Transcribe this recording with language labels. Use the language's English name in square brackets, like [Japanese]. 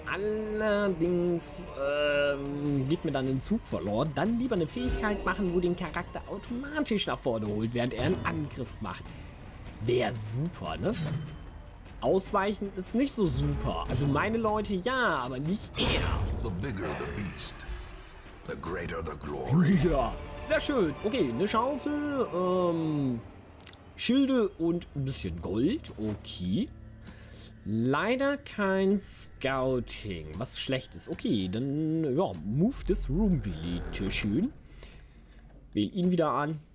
[German] Allerdings geht mir dann ein Zug verloren. Dann lieber eine Fähigkeit machen, wo den Charakter automatisch nach vorne holt, während er einen Angriff macht. Wäre super, ne? Ausweichen ist nicht so super. Also meine Leute ja, aber nicht er. [English] The bigger the beast, the greater the glory. [German] Ja, sehr schön. Okay, eine Schaufel, Schilde und ein bisschen Gold. Okay. Leider kein Scouting. Was schlecht ist. Okay, dann ja, [English] move this room, [German] bitte schön. Wähl ihn wieder an.